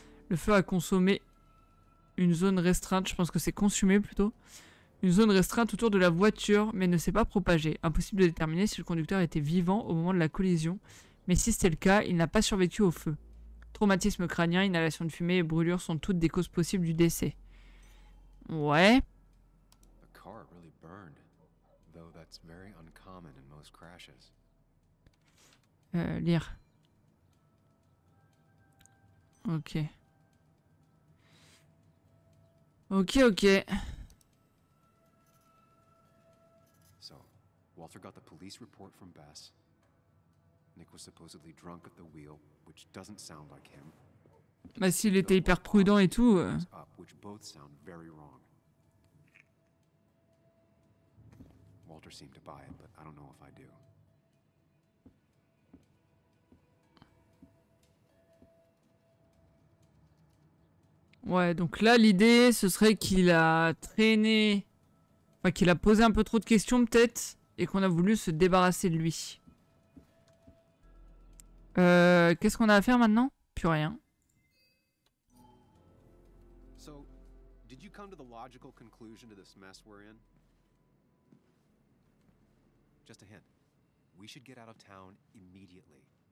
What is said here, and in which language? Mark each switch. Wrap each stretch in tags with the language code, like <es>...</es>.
<fr>Le feu a consommé une zone restreinte, je pense que c'est consumé plutôt, une zone restreinte autour de la voiture, mais ne s'est pas propagée. Impossible de déterminer si le conducteur était vivant au moment de la collision, mais si c'était le cas, il n'a pas survécu au feu. Traumatisme crânien, inhalation de fumée et brûlure sont toutes des causes possibles du décès. Ouais.</fr> <en>A car really burned, though that's very uncommon in most crashes.</en> <fr>Lire. Ok. Ok, ok.</fr> <en>So, Walter got the police report from Bess. Nick was supposedly drunk at the wheel, which doesn't sound like him.</en> <fr>Bah s'il était hyper prudent et tout.</fr> <en>Which both sound very wrong. Walter seemed to buy it, but I don't know if I do.</en> <fr>Ouais, donc là, l'idée, ce serait qu'il a traîné, enfin, qu'il a posé un peu trop de questions, peut-être, et qu'on a voulu se débarrasser de lui. Qu'est-ce qu'on a à faire maintenant? Plus rien.</fr> <en>So, did you come to the logical conclusion to this mess we're in? Just a hint. We should get out of town immediately.</en>